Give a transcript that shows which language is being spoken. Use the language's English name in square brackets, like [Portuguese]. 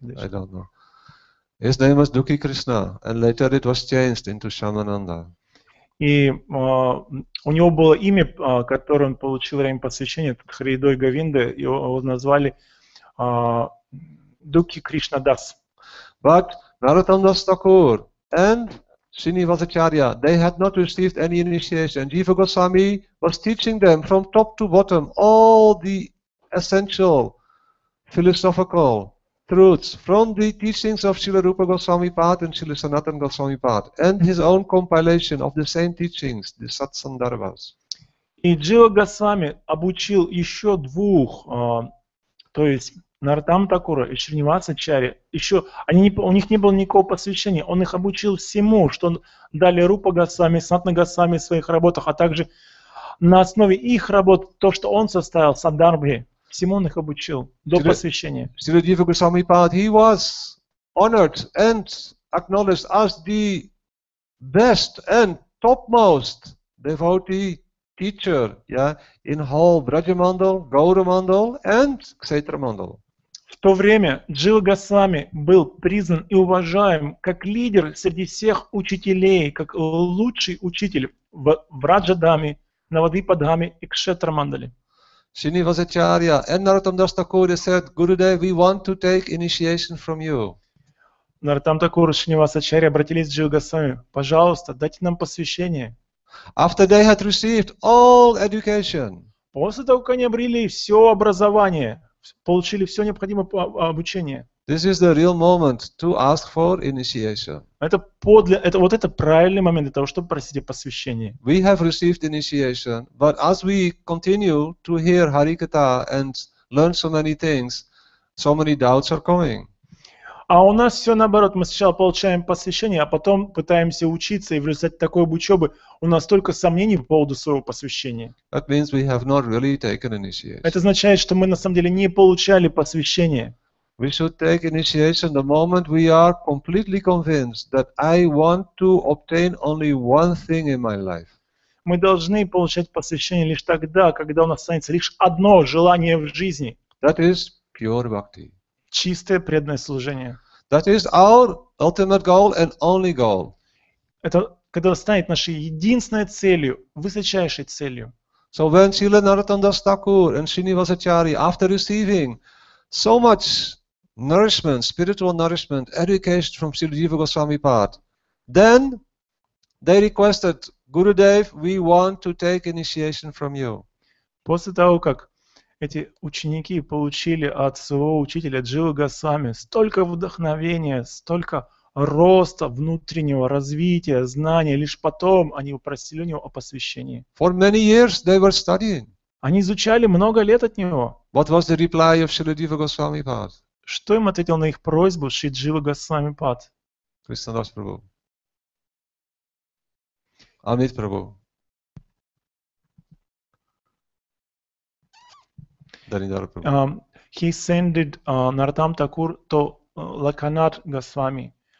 [English] I don't know. His name was Duki Krishna, and later it was changed into Шамананда. [Russian] И у него было имя, которое он получил время посвящения, Хридай Говинда, его назвали Duki Krishna Das. [English] But Narottam Das Thakur and Srinivas Acharya, they had not received any initiation. Jiva Goswami was teaching them from top to bottom all the essential philosophical truths from the teachings of Srila Rupa Goswami Pad and Srila Sanatana Goswami Pad and his own compilation of the same teachings, the Satsandarbhas. [Russian] И Jiva Goswami обучил еще двух, то есть Нартам Такура и Шринивас Ачарья, еще они не, у них не было никакого посвящения, он их обучил всему, что дали Рупа Госвами, Санатана Госвами в своих работах, а также на основе их работ, то, что он составил, Садхармы, всему он их обучил до посвящения. [English] Шри Дива Госвами Пад, he was honored and acknowledged as the best and topmost devotee teacher, yeah, in whole Brajamandal, Gauramandal and Kshetramandal. [Russian] В то время Джива Госвами был признан и уважаем как лидер среди всех учителей, как лучший учитель в Раджадаме, Навадвипадхаме и Кшетрамандале. [English] Шринивас Ачарья и Нартам Дас Такур said, Gurudev, we want to take initiation from you. [Russian] Нартам Такур и Шринивас Ачарья обратились к Джива Госвами, пожалуйста, дайте нам посвящение. [English] After they had received all education. [Russian] После того, как они обрели все образование, получили все необходимое обучение. [English] This is the real moment to ask for initiation. [Russian] Это правильный момент для того, чтобы просить о посвящении. [English] We have received initiation, but as we continue to hear Harikatha and learn so many things, so many doubts are coming. [Russian] А у нас все наоборот. Мы сначала получаем посвящение, а потом пытаемся учиться и в результате такой учебы у нас только сомнений по поводу своего посвящения. [English] That means we have not really taken initiation. [Russian] Это означает, что мы на самом деле не получали посвящение. [English] We should take initiation the moment we are completely convinced that I want to obtain only one thing in my life. [Russian] Мы должны получать посвящение лишь тогда, когда у нас останется лишь одно желание в жизни. [English] That is pure bhakti. [Russian] Чистое преданное служение. [English] That is our ultimate goal and only goal. [Russian] Это когда станет нашей единственной целью, высочайшей целью. [English] So when Srila Narottam Das Thakur and Srinivas Acharya, after receiving so much nourishment, spiritual nourishment, education from Srila Jiva Goswami Pad, then they requested, Gurudev, we want to take initiation from you. [Russian] После того, как эти ученики получили от своего учителя Джива Госвами столько вдохновения, столько роста внутреннего развития, знания, лишь потом они попросили у него о посвящении. [English] For many years they were studying. [Russian] Они изучали много лет от него. [English] What was the reply of Shri Jiva Goswami Pad? [Russian] Что им ответил на их просьбу Шри Джива Госвами Пад? Кришна Дас Прабху. Амит Прабху. [English] He sended Narottam Thakur to Lakanath Goswami.